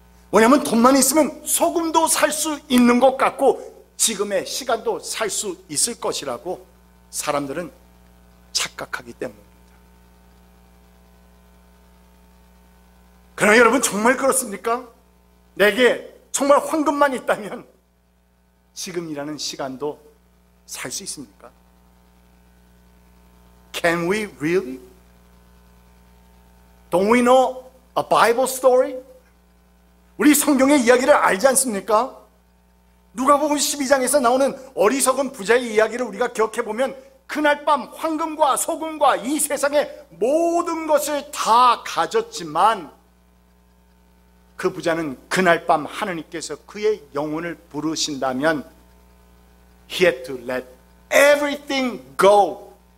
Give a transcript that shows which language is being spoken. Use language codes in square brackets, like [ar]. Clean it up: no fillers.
[ko] 왜냐하면 돈만 있으면 소금도 살 수 있는 것 같고 지금의 시간도 살 수 있을 것이라고 사람들은 착각하기 때문입니다. 그러나 여러분 정말 그렇습니까? 내게 정말 황금만 있다면 지금이라는 시간도 살 수 있습니까? [en] Can we really? Don't we know a Bible story? [ko] 우리 성경의 이야기를 알지 않습니까? 누가복음 12장에서 나오는 어리석은 부자의 이야기를 우리가 기억해보면 그날 밤 황금과 소금과 이 세상의 모든 것을 다 가졌지만 그 부자는 그날 밤 하느님께서 그의 영혼을 부르신다면 [en] he had to let everything go.